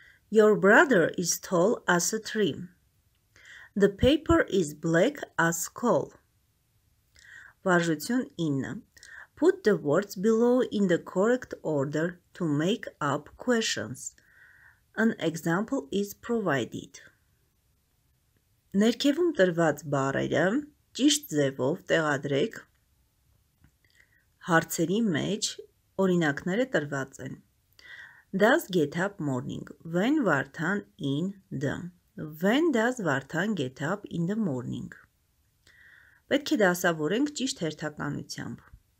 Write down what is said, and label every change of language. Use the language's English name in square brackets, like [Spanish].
[English] Your brother is tall as a tree. The paper is black as coal. [Armenian] Վարժություն 9. [English] Put the words below in the correct order to make up questions. An example is provided. [Armenian] Ներքևում տրված բառերը ճիշտ ձևով տեղադրեք հարցերի մեջ, օրինակները տրված են. [English] Does get up morning? When Vartan in the? When does Vartan get up in the morning? [Armenian] Պետք է դասավորենք ճիշտ հերթականությամբ.